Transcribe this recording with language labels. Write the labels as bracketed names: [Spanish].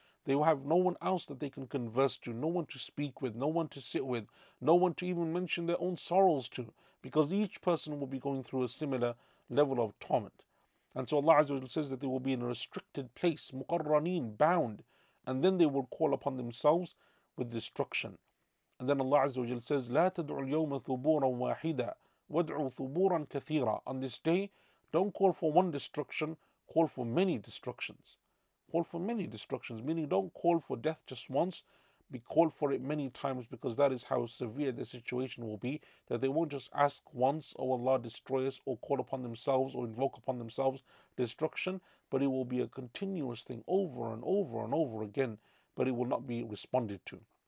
[English] They will have no one else that they can converse to, no one to speak with, no one to sit with, no one to even mention their own sorrows to, because each person will be going through a similar level of torment. And so Allah Azza wa Jalla says that they will be in a restricted place, muqarraneen, bound, and then they will call upon themselves with destruction. And then Allah Azza wa Jalla says, [Arabic] لا تدعو اليوم ثبورا واحدا وادعو ثبورا كثيرا. [English] On this day, don't call for one destruction, call for many destructions. Call for many destructions, meaning don't call for death just once, be called for it many times, because that is how severe the situation will be, that they won't just ask once, oh Allah, destroy us, or call upon themselves, or invoke upon themselves destruction, but it will be a continuous thing over and over and over again, but it will not be responded to.